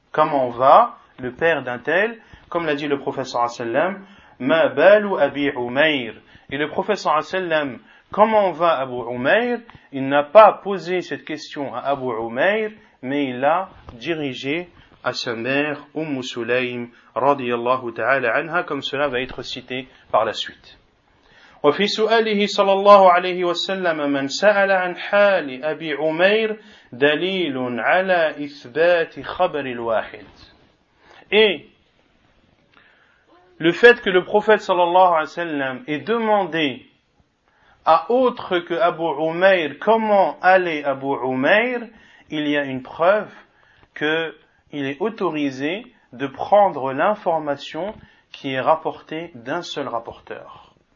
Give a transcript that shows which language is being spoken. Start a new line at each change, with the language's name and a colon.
French: Comment va le père d'un tel, comme l'a dit le prophète sallallahu alayhi wa sallam,
Arabic: ma balu Abi Umayr.
French: Et le prophète sallallahu alayhi wa sallam Comment va Abu Umayr? Il n'a pas posé cette question à Abu Umayr, mais il l'a dirigé à sa mère, Umm Sulaym, radiyallahu ta'ala anha, comme cela va être cité par la suite.
Arabic: وفي سؤاله صلى الله عليه وسلم من سأل عن حال أبي عمير دليل على إثبات خبر الواحد.
French: Et le fait que le prophète صلى الله عليه وسلم ait demandé à autre que Abu Umayr comment allait Abu Umayr, il y a une preuve qu'il est autorisé de prendre l'information qui est rapportée d'un seul rapporteur.